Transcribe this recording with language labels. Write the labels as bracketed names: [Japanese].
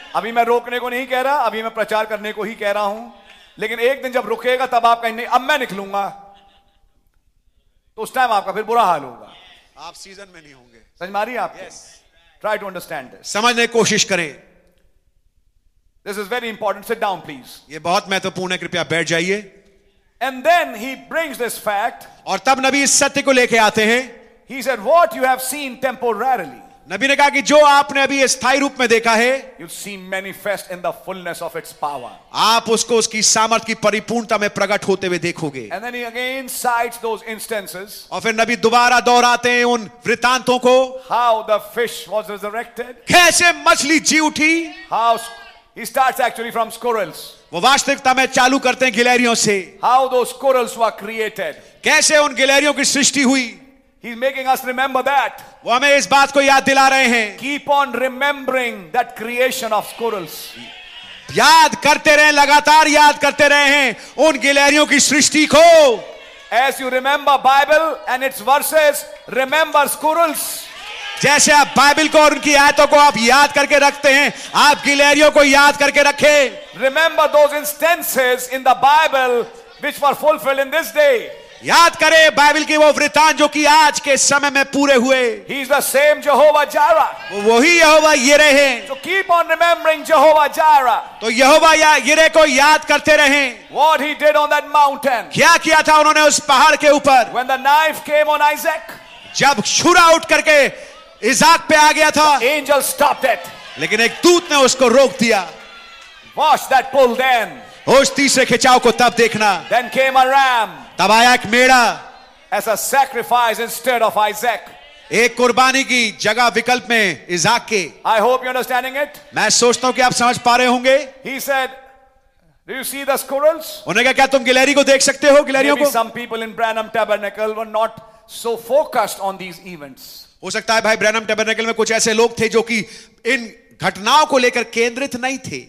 [Hindi] अभी मैं रोकने को नहीं कह रहा, अभी मैं प्रचार करने को ही कह रहा हूं. लेकिन एक दिन जब रुकेगा तब आप कहेंगे अब मैं निकलूंगा, तो उस टाइम आपका फिर बुरा हाल होगा. आप सीजन में नहीं होंगे. समझ मारी आप? [English] Yes. Try to understand this. [Hindi] समझने की कोशिश करें. [English] This is very important. Sit down, please. [Hindi] ये बहुत महत्वपूर्ण है, कृपया बैठ जाइए. [English] And then he brings this fact. [Hindi] और तब नबी इस सत्य को लेके आते हैं. [English] He said, "What you have seen temporarily." [Hindi] नबी ने कहा कि जो आपने अभी स्थायी रूप में देखा है, [English] you'll see manifest in the fullness of its power. [Hindi] आप उसको उसकी सामर्थ की परिपूर्णता में प्रकट होते हुए देखोगे. [English] And then he again cites those instances. [Hindi] और फिर नबी दोबारा दोहराते हैं उन वृतांतों को. [English] How the fish was resurrected. [Hindi] कैसे मछली जी उठी. [English] How he starts actually from squirrels. [Hindi] वो वास्तविकता में चालू करते हैं गिलहरियों से. [English] How those squirrels were created. [Hindi] कैसे उन गिलहरियों की सृष्टि हुई. [English] He's making us remember that. [Hindi] वो हमें इस बात को याद दिला रहे हैं. [English] Keep on remembering that creation of squirrels. [Hindi] याद करते रहे, लगातार याद करते रहे हैं उन गिलहरियों की सृष्टि को. [English] As you remember Bible and its verses, remember squirrels. [Hindi] जैसे आप बाइबल को और उनकी आयतों को आप याद करके रखते हैं, आप गिलहरियों को याद करके रखें. [English] Remember those instances in the Bible which were fulfilled in this day. [Hindi] याद करें बाइबल के वो वृतांत जो कि आज के समय में पूरे हुए. [English] He is the same Jehovah Jireh. [Hindi] वही यहोवा यिरे हैं. [English] So keep on remembering Jehovah Jireh. [Hindi] तो यहोवा यिरे को याद करते रहें. [English] What he did on that mountain. [Hindi] क्या किया था उन्होंने उस पहाड़ के ऊपर. [English] When the knife came on Isaac. [Hindi] जब छुरा उठ करके इसाक पे आ गया था. [English] The angel stopped it. [Hindi] लेकिन एक दूत ने उसको रोक दिया. [English] Watch that pull then. [Hindi] उस तीसरे खिंचाव को तब देखना. [English] Then came a ram. [Hindi] तब आया एक Meda. [English] As a sacrifice instead of Isaac. [Hindi] एक कुर्बानी की जगह विकल्प में इसाक के. [English] I hope you're understanding it. [Hindi] मैं सोचता हूं कि आप समझ पा रहे होंगे. [English] He said, "Do you see the squirrels?" [Hindi] उन्होंने कहा क्या तुम गिलहरी को देख सकते हो, गिलहरियों को? [English] Maybe some people in Branham Tabernacle were not so focused on these events. [Hindi] हो सकता है भाई ब्रैनम टैबरनेकल में कुछ ऐसे लोग थे जो कि इन घटनाओं को लेकर केंद्रित नहीं थे.